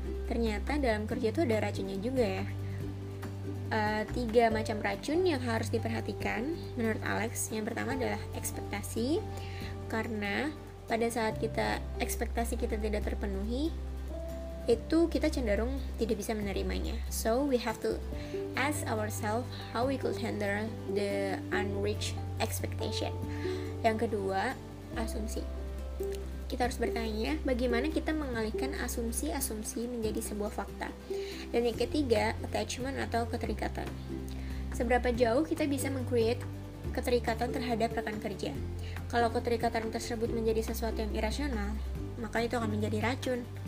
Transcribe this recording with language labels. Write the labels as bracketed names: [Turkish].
[Indonesian] Ternyata dalam kerja itu ada racunnya juga ya. Tiga macam racun yang harus diperhatikan menurut Alex. Yang pertama adalah ekspektasi. Karena pada saat kita ekspektasi kita tidak terpenuhi, itu kita cenderung tidak bisa menerimanya. [English] So we have to ask ourselves how we could handle the unreached expectation. [Indonesian] Yang kedua, asumsi. Kita harus bertanya bagaimana kita mengalihkan asumsi-asumsi menjadi sebuah fakta. Dan yang ketiga, attachment atau keterikatan. Seberapa jauh kita bisa mengcreate keterikatan terhadap rekan kerja. Kalau keterikatan tersebut menjadi sesuatu yang irasional, maka itu akan menjadi racun.